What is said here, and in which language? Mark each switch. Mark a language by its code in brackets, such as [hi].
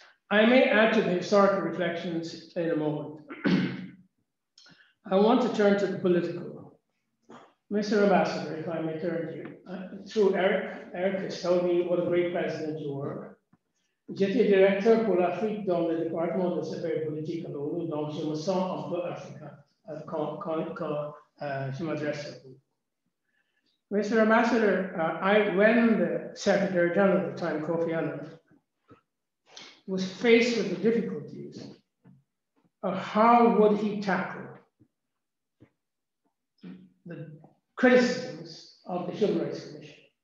[en] I may add to the historical reflections in a moment. I want to turn to the political. Mr. Ambassador, if I may turn to you. Through Eric has told me what a great president you were. [fr] J'étais directeur pour l'Afrique dans le département de sécurité politique à l'ONU, donc je me sens un peu africain quand je m'adresse à vous. [en] Mr. Ambassador, when the Secretary General at the time, Kofi Annan, was faced with the difficulties of how would he tackle the criticisms of the Human Rights Commission.